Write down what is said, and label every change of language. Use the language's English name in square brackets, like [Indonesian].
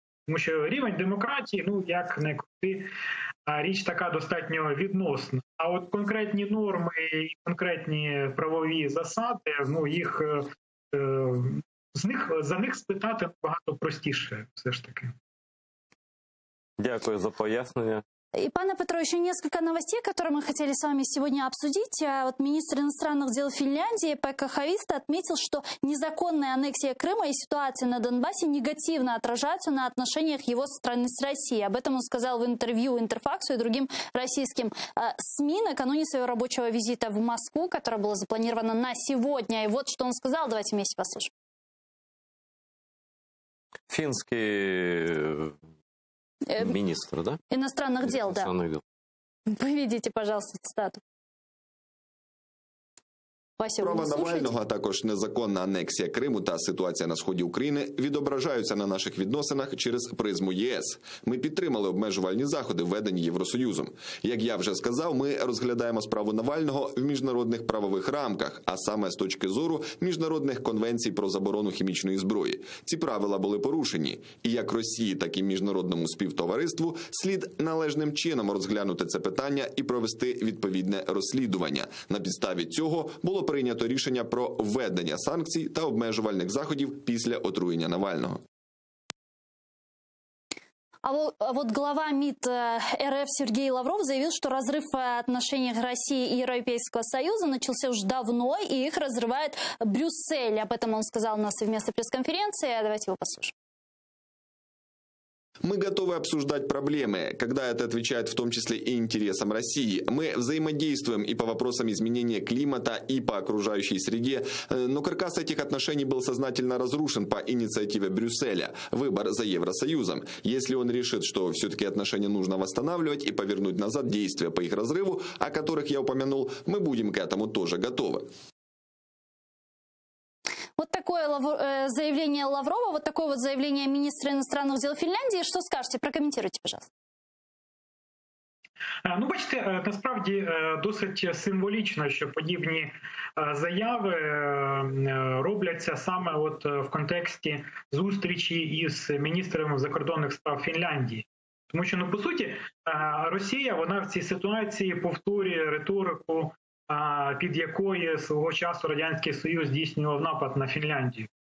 [Ukrainian] Тому що рівень демократії, ну, як не крути, річ така достатньо відносна. А от конкретні норми і конкретні правові засади, ну, їх, з них, за них спитати набагато простіше все ж таки. Дякую за пояснення. [Russian] И, пане Петро, еще несколько новостей, которые мы хотели с вами сегодня обсудить. Вот министр иностранных дел Финляндии Пекка Хависта отметил, что незаконная аннексия Крыма и ситуация на Донбассе негативно отражаются на отношениях его страны с Россией. Об этом он сказал в интервью Интерфаксу и другим российским СМИ накануне своего рабочего визита в Москву, которое было запланировано на сегодня. И вот что он сказал, давайте вместе послушаем. Финский министр, да? Иностранных дел, иностранных дел, да. Поведите, пожалуйста, цитату. [Ukrainian] Справа Навального, а також незаконна анексія Криму та ситуація на сході України відображаються на наших відносинах через призму ЄС. Ми підтримали обмежувальні заходи, введені Євросоюзом. Як я вже сказав, ми розглядаємо справу Навального в міжнародних правових рамках, а саме з точки зору міжнародних конвенцій про заборону хімічної зброї. Ці правила були порушені. І як Росії, так і міжнародному співтовариству слід належним чином розглянути це питання і провести відповідне розслідування. На підставі цього було прийнято рішення про введення санкцій та обмежувальних заходів після отруєння Навального. [Russian] А вот глава МИД РФ Сергей Лавров заявил, что разрыв отношений России и Европейского Союза начался уже давно, и их разрывает Брюссель. Об этом он сказал на совместной пресс-конференции. Давайте его послушаем. Мы готовы обсуждать проблемы, когда это отвечает в том числе и интересам России. Мы взаимодействуем и по вопросам изменения климата, и по окружающей среде. Но каркас этих отношений был сознательно разрушен по инициативе Брюсселя. Выбор за Евросоюзом. Если он решит, что все-таки отношения нужно восстанавливать и повернуть назад действия по их разрыву, о которых я упомянул, мы будем к этому тоже готовы. Вот такое заявление Лаврова, вот такое вот заявление министра иностранных дел Финляндии. Что скажете? Прокомментируйте, пожалуйста. [Ukrainian] Ну, бачите, насправді досить символічно, що подібні заяви робляться саме от в контексті зустрічі із міністром закордонних справ Фінляндії. Тому що, ну, по суті, Росія, вона в цій ситуації повторює риторику, під якої свого часу Радянський Союз здійснював напад на Фінляндію.